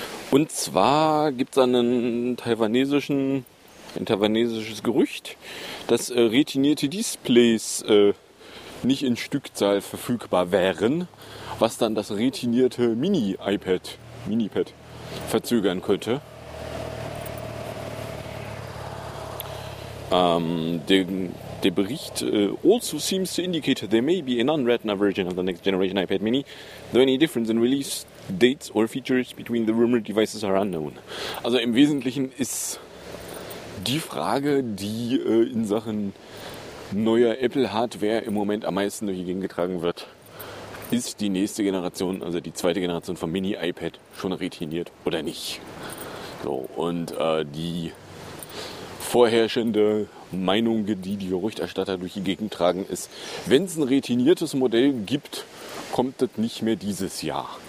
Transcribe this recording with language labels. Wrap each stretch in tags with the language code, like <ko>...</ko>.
<de>Und zwar gibt es einen taiwanesisches Gerücht, dass retinierte Displays nicht in Stückzahl verfügbar wären, was dann das retinierte Mini-Pad verzögern könnte. Der Bericht also</de> <en>seems to indicate there may be a non-retina version of the next generation iPad Mini, though any difference in release dates or features between the rumored devices are unknown.</en> <de>Also im Wesentlichen ist die Frage, die in Sachen neuer Apple-Hardware im Moment am meisten durch die Gegend getragen wird, ist die nächste Generation, also die zweite Generation vom Mini-iPad, schon retiniert oder nicht? So, und die vorherrschende Meinung, die Gerüchterstatter durch die Gegend tragen, ist, wenn es ein retiniertes Modell gibt, kommt das nicht mehr dieses Jahr.</de>